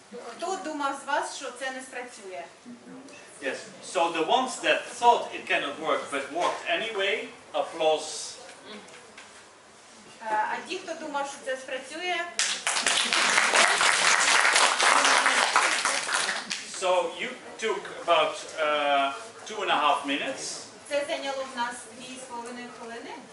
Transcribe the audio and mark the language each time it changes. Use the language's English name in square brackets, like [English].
[Ukrainian] Хто думав з вас, що це не спрацює? [English] Yes, so the ones that thought it cannot work but worked anyway, applause. [Ukrainian] А ті, хто думав, що це спрацює? [English] So you took about 2.5 minutes. [Ukrainian] Це зайняло в нас 2.5 хвилини.